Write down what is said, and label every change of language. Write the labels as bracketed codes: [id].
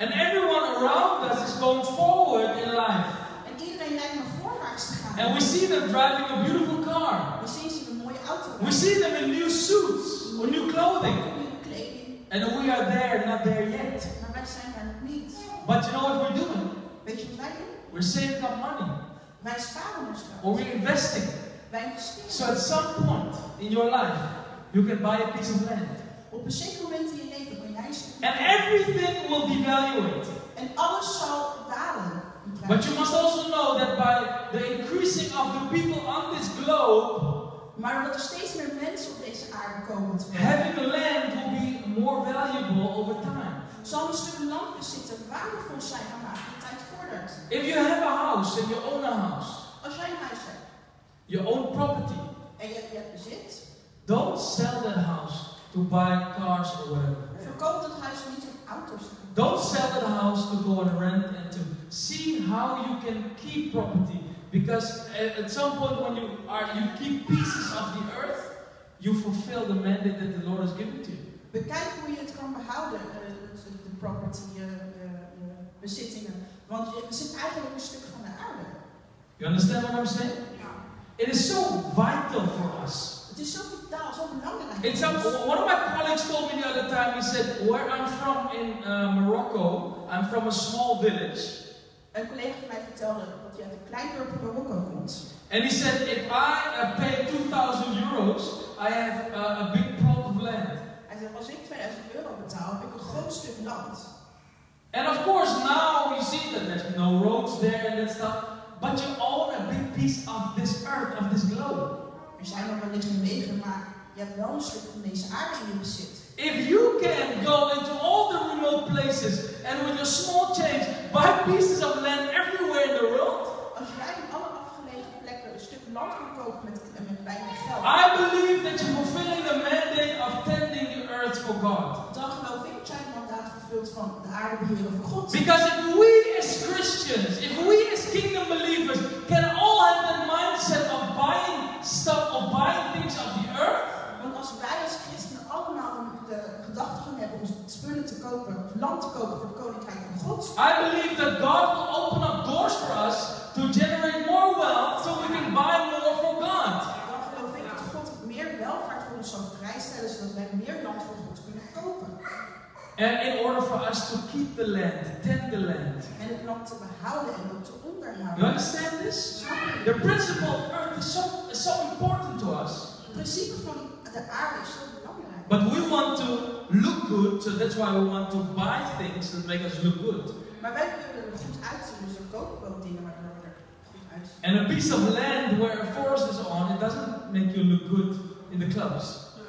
[en] And everyone around us is going forward in life. [nl] En iedereen lijkt maar voorwaarts te gaan. [en] And we see them driving a beautiful car. [nl] We zien ze in een mooie auto. [en] We see them in new suits or new clothing. And we are there, not there yet. [nl] Maar wij zijn daar nog niet. [en] But you know what we're doing? [nl] Weet je wat wij doen? [en] We're saving up money. [nl] Wij sparen ons geld. [en] Or we're investing. [nl] Wij investeren. [en] So at some point in your life. You can buy a piece of land. [nl] Op een zeker moment in je leven kan jij ze. [en] And everything will devaluate. [nl] En alles zal dalen. [en] But you must also know that by the increasing of the people on this globe. [nl] Maar dat er steeds meer mensen op deze aarde komen. [en] Having a land will be more valuable over time. [nl] Zal een stuk land bezitten waardevol zijn naarmate de tijd vordert. [en] If you have a house and you own a house. [nl] Als jij een huis hebt. [en] Your own property. [nl] En je hebt bezit. [en] Don't sell that house to buy cars or whatever. [nl] Verkoop dat huis niet om auto's. [en] Don't sell that house to go and rent and to see how you can keep property. Because at some point when you keep pieces of the earth, you fulfill the mandate that the Lord has given to you. [nl] Bekijk hoe je het kan behouden, de property, de bezittingen. Want je bezit eigenlijk een stuk van de aarde. [en] You understand what I'm saying? Yeah. It is so vital for us. [nl] Het is zo vitaal, zo belangrijk. [en] One of my colleagues told me the other time, he said, where I'm from in Morocco, I'm from a small village. [nl] Een collega van mij vertelde dat hij uit een klein dorp in Morocco komt. [en] And he said, if I pay 2000 euros, I have a big plot of land. [nl] Hij zei, als ik 2000 euro betaal, heb ik een groot stuk land. [en] And of course, now we see that there's no roads there and that stuff, but you own a big piece of this earth, of this globe. [nl] Er zijn nog wel liggen wegen, maar je hebt wel een stuk van deze aarde in je bezit. [en] If you can go into all the remote places and with a small change buy pieces of land everywhere in the world. [nl] Als jij in alle afgelegen plekken een stuk land kan kopen met weinig geld. [en] I believe that you're fulfilling the mandate of tending the earth for God. [nl] Dan geloof ik dat jij het mandaat vervult van de aarde beheren voor God. [en] Because if we as Christians, if we as kingdom believers can all have that mindset of buying stop of buying things of the earth. [nl] Want als wij als christenen allemaal de gedachten hebben om spullen te kopen, land te kopen voor het koninkrijk van God. [en] I believe that God will open up doors for us to generate more wealth so we can buy more for God. [nl] Dan geloof ik dat God meer welvaart voor ons zal vrijstellen zodat wij meer land voor God kunnen kopen. [en] And in order for us to keep the land, tend the land. [nl] En het land te behouden en ook te onderhouden. [en] You understand this? The principle of earth is so important to us. [nl] Het principe van de aarde is zo belangrijk. [en] But we want to look good, so that's why we want to buy things that make us look good. [nl] Maar wij willen er goed uitzien, dus we kopen wel dingen waardoor we er goed uitzien. uit. [en] And a piece of land where a forest is on, it doesn't make you look good in the clubs.